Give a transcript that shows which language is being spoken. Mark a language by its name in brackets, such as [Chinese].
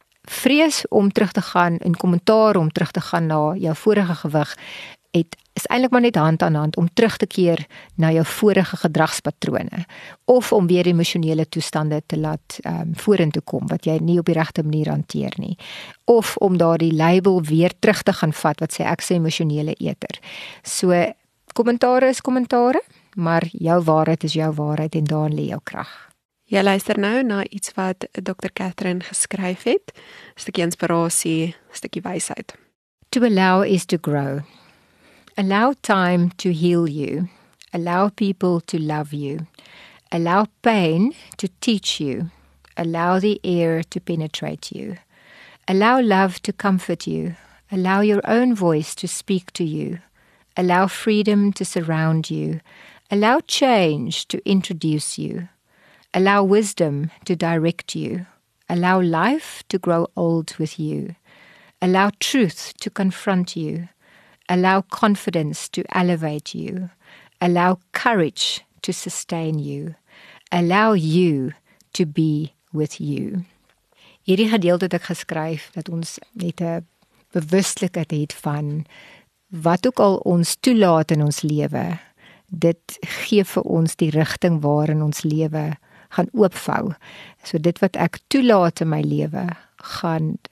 [Afrikaans] Vrees om terug te gaan en kommentaar om terug te gaan na jou vorige gewig het is eintlik maar net hand aan hand om terug te keer na jou vorige gedragspatrone of om weer emosionele toestande te laat vorentoe kom wat jy nie op die regte manier hanteer nie of om daardie label weer terug te gaan vat wat sê ek is 'n emosionele eter. So kommentare is kommentare, maar jou waarheid is jou waarheid en daarin lê jou krag. Jy luister nou na iets wat Dr. Catherine geskryf het, 'n stukkie inspirasie, 'n stukkie wysheid. [English] To allow is to grow. Allow time to heal you. Allow people to love you. Allow pain to teach you. Allow the air to penetrate you. Allow love to comfort you. Allow your own voice to speak to you. Allow freedom to surround you. Allow change to introduce you. Allow wisdom to direct you. Allow life to grow old with you. Allow truth to confront you. Allow confidence to elevate you. Allow courage to sustain you. Allow you to be with you. [Afrikaans] Hierdie gedeelte het ek geskryf dat ons net 'n bewustelikheid het van wat ook al ons toelaat in ons lewe, dit gee vir ons die rigting waarin ons lewe gaan oopvou. So dit wat ek toelaat in my lewe gaan